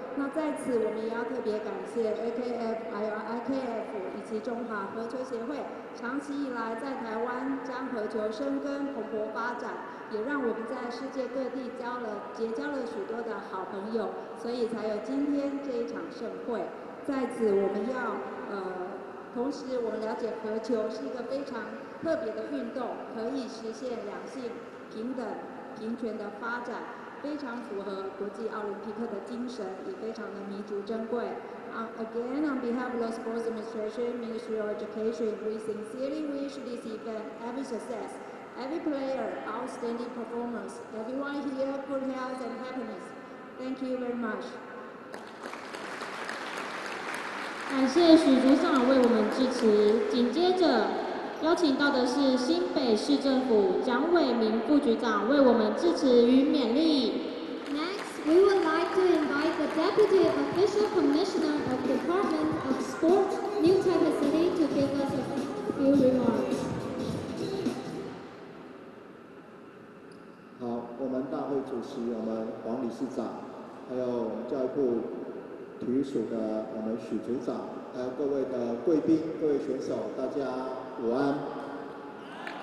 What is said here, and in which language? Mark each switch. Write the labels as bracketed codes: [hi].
[zh] 那在此，我们也要特别感谢 AKF 还有 IKF 以及中华合球协会，长期以来在台湾将合球生根蓬勃发展，也让我们在世界各地结交了许多的好朋友，所以才有今天这一场盛会。在此，我们要同时我们了解合球是一个非常特别的运动，可以实现两性平等、平权的发展。非常符合国际奥林匹克的精神，也非常的弥足珍贵。 [en] Again, on behalf of the Sports Administration, Ministry of Education, we sincerely wish this event every success, every player, outstanding performance, everyone here, good health and happiness. Thank you very much. [zh] 感谢许组长为我们致辞。紧接着邀请到的是新北市政府蒋伟明副局长为我们致辞与勉励。 [en] We would like to invite the Deputy Official Commissioner of the Department of Sport, New Taipei City, to give us a few remarks. [zh] 好，我们大会主席，我们黄理事长，还有我们教育部体育署的我们许组长，还有各位的贵宾、各位选手，大家午安。